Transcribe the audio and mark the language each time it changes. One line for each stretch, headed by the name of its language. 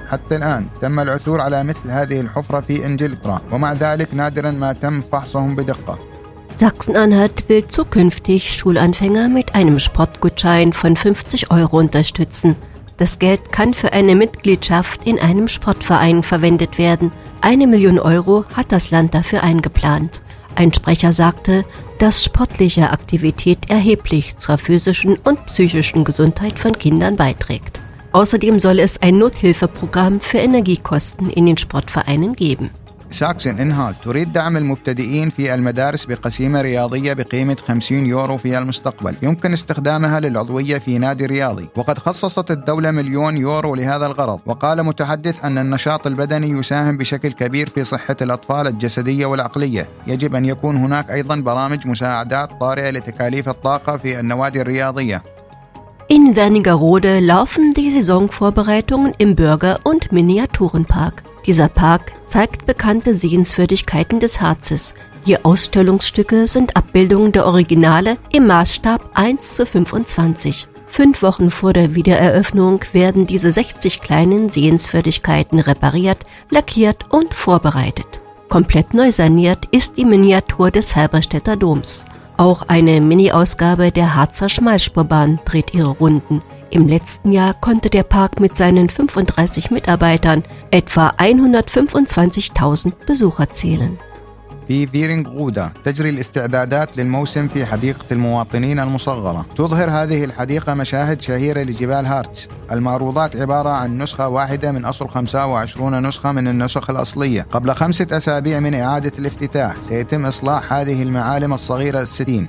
Arabic: حتى الآن تم العثور على مثل هذه الحفرة في إنجلترا، ومع ذلك نادرا ما تم فحصهم بدقة.
German: Sachsen-Anhalt will zukünftig Schulanfänger mit einem Sportgutschein von 50 Euro unterstützen. Das Geld kann für eine Mitgliedschaft in einem Sportverein verwendet werden. 1 Million Euro hat das Land dafür eingeplant. Ein Sprecher sagte, dass sportliche Aktivität erheblich zur physischen und psychischen Gesundheit von Kindern beiträgt. Außerdem soll es ein Nothilfeprogramm für Energiekosten in den Sportvereinen geben.
Arabic: ساكسن إنهالت تريد دعم المبتدئين في المدارس بقسيمة رياضية بقيمة 50 يورو في المستقبل، يمكن استخدامها للعضوية في نادي رياضي، وقد خصصت الدولة 1 مليون يورو لهذا الغرض. وقال متحدث أن النشاط البدني يساهم بشكل كبير في صحة الأطفال الجسدية والعقلية. يجب أن يكون هناك أيضا برامج مساعدات طارئة لتكاليف الطاقة في النوادي الرياضية.
German: In Wernigerode laufen die Saisonvorbereitungen im Bürger- und Miniaturenpark. Dieser Park zeigt bekannte Sehenswürdigkeiten des Harzes. Die Ausstellungsstücke sind Abbildungen der Originale im Maßstab 1:25. 5 Wochen vor der Wiedereröffnung werden diese 60 kleinen Sehenswürdigkeiten repariert, lackiert und vorbereitet. Komplett neu saniert ist die Miniatur des Halberstädter Doms. Auch eine Mini-Ausgabe der Harzer Schmalspurbahn dreht ihre Runden. Im letzten Jahr konnte der Park mit seinen 35 Mitarbeitern etwa 125.000 Besucher zählen.
Arabic: في فيرينغرودا تجري الاستعدادات للموسم في حديقة المواطنين المصغرة. تظهر هذه الحديقة مشاهد شهيرة لجبال هارتس. المعروضات عبارة عن نسخة واحدة من أصل 25 نسخة من النسخ الأصلية. قبل 5 أسابيع من إعادة الافتتاح سيتم إصلاح هذه المعالم الصغيرة الستين.